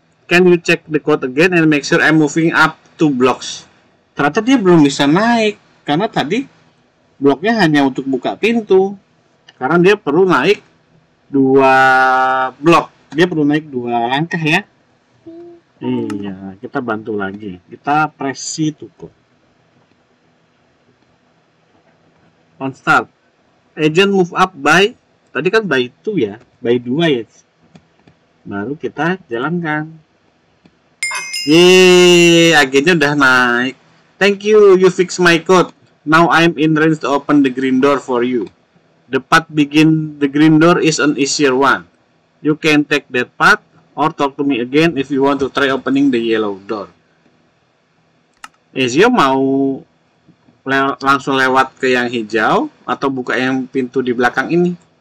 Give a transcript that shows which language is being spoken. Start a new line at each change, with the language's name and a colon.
English: Can you check the code again and make sure I'm moving up 2 blocks?
Indonesian: Ternyata dia belum bisa naik karena tadi bloknya hanya untuk buka pintu. Sekarang dia perlu naik 2 blok. Dia perlu naik 2 langkah ya. Iya, kita bantu lagi. Kita
English: press C to code. On start. Agent move up by
Indonesian: tadi kan
English: by 2 ya. By 2 ya.
Indonesian: Baru kita jalankan. Yeay, agennya udah naik.
English: Thank you fix my code. Now I'm in range to open the green door for you. The path begin the green door is an easier one. You can take that path or talk to me again if you want to try opening the yellow door.
Indonesian: Ezio mau langsung lewat ke yang hijau atau buka yang pintu di belakang ini?